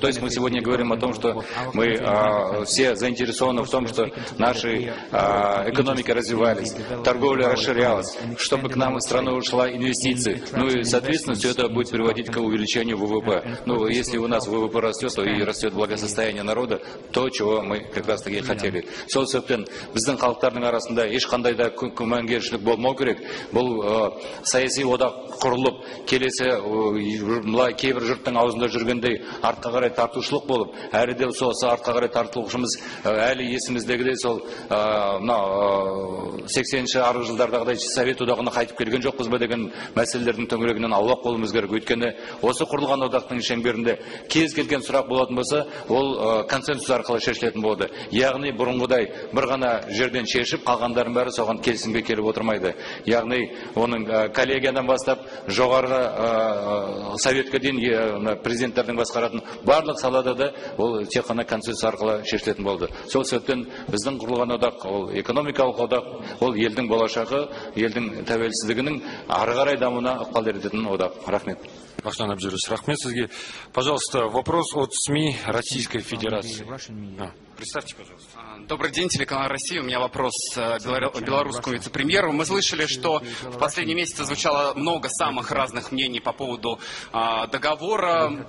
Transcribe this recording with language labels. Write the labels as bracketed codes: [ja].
[ru] То есть мы сегодня говорим о том, что мы все заинтересованы в том, что наши экономики развивались, торговля расширялась, чтобы к нам в страну ушла инвестиции. Ну и, соответственно, все это будет приводить к увеличению ВВП. Ну, если у нас ВВП растет, то и растет благосостояние народа, то, чего мы как раз таки хотели. [kk] Сол себептен біздің халықтардың арасында ешқандай да күмәнгершілік болмау керек. Бұл саяси одақ құрылып, келесі кейбір жұрттың аузында жүргендей артқа қарай тартушылық болып, әлі де сол артқа қарай тартушымыз әлі есіміздегідей сол 80-ші арғы жылдардағыдай совет одағына қайтып келген жоқпыз ба деген мәселелердің төңірегінен аулақ болуымыз керек. Өйткені осы құрылған одақтың шеңберінде кез келген сұрақ болатын болса, ол консенсус арқылы шешілетін болады. Яғни бұрынғыдай бір ғана жерден шешіп, қалғандардың бәрі соған келісімге келіп отырмайды. Яғни оның коллегиядан бастап жоғарғы советке дейін президенттердің басқаратын барлық салада да ол тек қана консенсус арқылы шешілетін болды. Сол себептен біздің құрылған одақ, ол экономикалық одақ, ол елдің болашағы, елдің тәуелсіздігінің ары қарай дамуына ықпал ететін одақ. Рахмет. Бахтан Абдулович, рахмет сизге. [ru] Пожалуйста, вопрос от СМИ Российской Федерации. Представьте, пожалуйста. Добрый день, телеканал «Россия». У меня вопрос белорусскому вице-премьеру. Мы слышали, что в последние месяцы звучало много самых разных мнений по поводу договора.